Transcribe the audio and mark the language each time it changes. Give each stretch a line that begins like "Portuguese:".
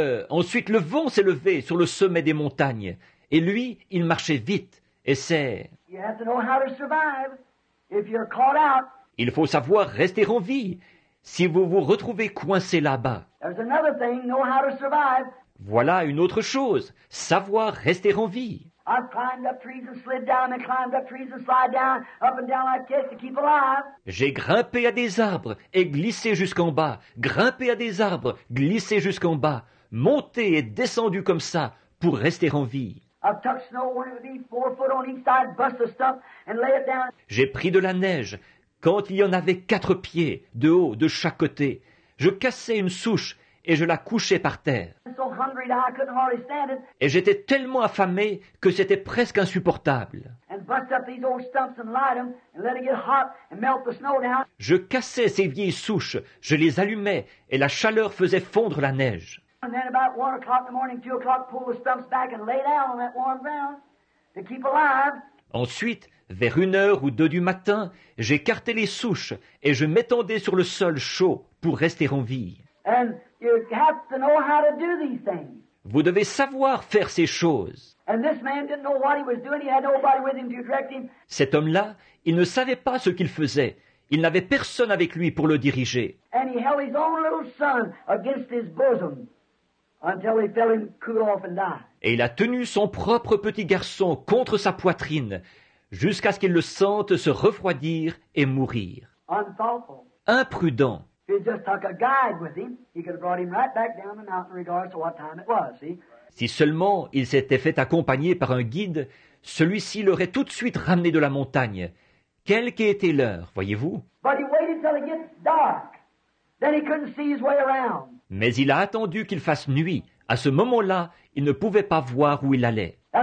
French: Ensuite le vent s'est levé sur le sommet des montagnes, et lui, il marchait vite, et c'est...
English: You have to know how to survive if you're caught out.
French: Il faut savoir rester en vie si vous vous retrouvez coincé là-bas.
English: There's another thing, know how to survive.
French: Voilà une autre chose, savoir rester en vie.
English: I've climbed up trees and slid down and climbed up trees and slid down up and down like this to keep alive.
French: J'ai grimpé à des arbres et glissé jusqu'en bas, grimpé à des arbres, glissé jusqu'en bas, monté et descendu comme ça pour rester en vie.
English: I've tucked snow when it would be 4 foot on each side, bust the stump and lay it down.
French: J'ai pris de la neige quand il y en avait 4 pieds de haut de chaque côté. Je cassais une souche et je la couchais par terre.
English: So hungry that I couldn't hardly stand it.
French: Et j'étais tellement affamé que c'était presque insupportable.
English: And bust up these old stumps and light them and let it get hot and melt the snow down.
French: Je cassais ces vieilles souches, je les allumais et la chaleur faisait fondre la neige.
English: And then about 1 o'clock in the morning, 2 o'clock, pull the stumps back and lay down on that warm ground to keep alive.
French: Ensuite, vers 1h ou 2 du matin, j'écartais les souches et je m'étendais sur le sol chaud pour rester en vie.
English: And you have to know how to do these things.
French: Vous devez savoir faire ces choses.
English: And this man didn't know what he was doing. He had nobody with him to direct him.
French: Cet homme-là, il ne savait pas ce qu'il faisait. Il n'avait personne avec lui pour le diriger.
English: And he held his own little son against his bosom. Until he fell in, cool off and die.
French: Et il a tenu son propre petit garçon contre sa poitrine jusqu'à ce qu'il le sente se refroidir et mourir.
English: Unthoughtful.
French: Imprudent.
English: If he'd just took a guide with him, he could have brought him right back down the mountain regardless of what time it was, see?
French: Si seulement il s'était fait accompagner par un guide, celui-ci l'aurait tout de suite ramené de la montagne, quelle qu'ait été l'heure, voyez-vous?
English: But he waited till it gets dark. Then he couldn't see his way around.
French: Mais il a attendu qu'il fasse nuit. À ce moment-là, il ne pouvait pas voir où il allait.